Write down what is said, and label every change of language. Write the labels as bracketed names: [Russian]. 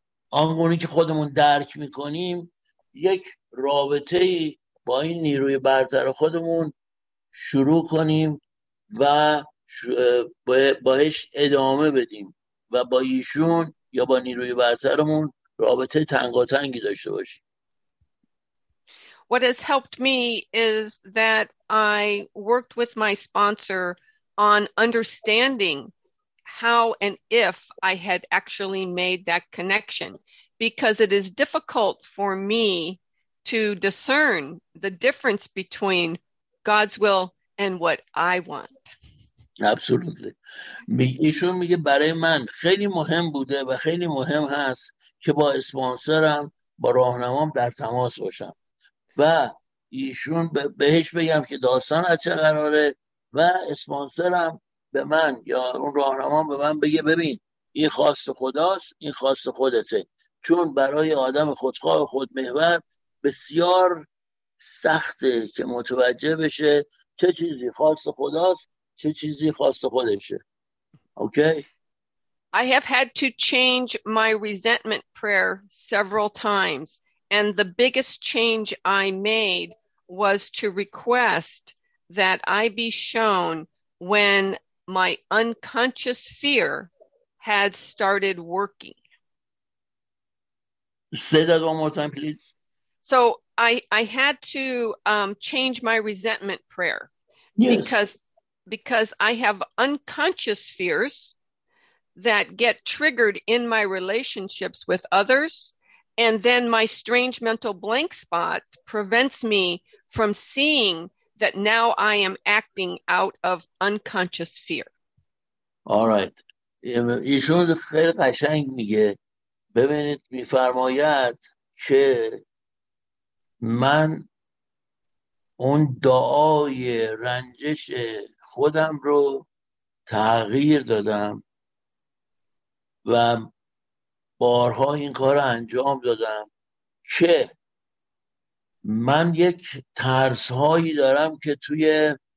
[Persian] آنگونه که خودمون درک میکنیم یک رابطه با این نیروی برتر خودمون شروع کنیم و باهش ادامه بدیم و با ایشون یا با نیروی برترمون رابطه تنگاتنگی داشته باشیم. [English] What has helped me is that I worked with my sponsor on understanding how and if I had actually made that connection, because it is difficult for me to discern the difference between God's will and what I want. Absolutely. [Persian] ایشون میگه برای من خیلی مهم بوده و خیلی مهم هست که با اسپانسرم با راهنمام در تماس باشم و ایشون بهش بگم که داستان از چه قراره و اسپانسرم به من یا اون راهنمام به من بگه ببین این خواست خداست، این خواست خودته، چون برای آدم خودخواه خودمحور بسیار سخته که متوجه بشه چه چیزی خواست خداست چه چیزی خواست خودشه. اوکی. [English] I have had to change my resentment prayer several times and the biggest change I made was to request that I be shown when my unconscious fear had started working. Say that one more time, please. So I had to change my resentment prayer. Yes. Because I have unconscious fears that get triggered in my relationships with others. And then my strange mental blank spot prevents me from seeing that now I am acting out of unconscious fear. All right. [Persian] ایشون خیلی قشنگ میگه. ببینید میفرماید که من اون دعای رنجش خودم رو تغییر دادم و بارها این کار رو انجام دادم که من یک ترس هایی دارم که توی